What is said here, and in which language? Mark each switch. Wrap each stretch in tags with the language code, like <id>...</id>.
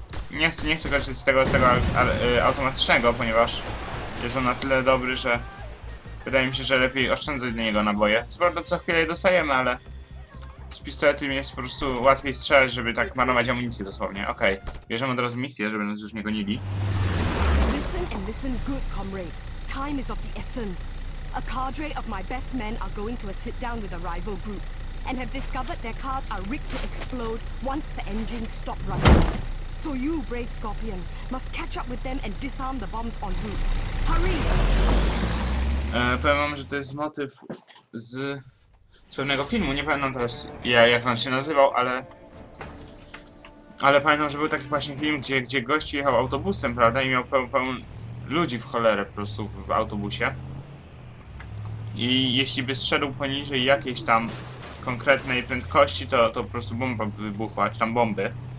<pl>Nie chcę korzystać z tego automatycznego, ponieważ jest on na tyle dobry, że wydaje mi się, że lepiej oszczędzać do niego naboje. Co prawda co chwilę je dostajemy, ale z pistoletem jest po prostu łatwiej strzelać, żeby tak manować amunicję dosłownie. Okej, okay. Bierzemy od razu misję, żeby nas już nie gonili.</pl> <en>Listen and listen good, comrade. Time is of the essence. A cadre of my best men are going to a sit down with a rival group. And have discovered their cars are rigged to explode once the engines stop running. So you, brave Scorpion, must catch up with them and disarm the bombs on route. Hurry!</en> <pl>Powiem wam, że to jest motyw z pewnego filmu. Nie pamiętam teraz, jak on się nazywał, ale pamiętam, że był taki właśnie film, gdzie gość jechał autobusem, prawda, i miał ludzi w cholerę po prostu w autobusie. I jeśli by zszedł poniżej jakiejś tam konkretnej prędkości, to po prostu bomba by wybuchła, czy tam bomby.</pl>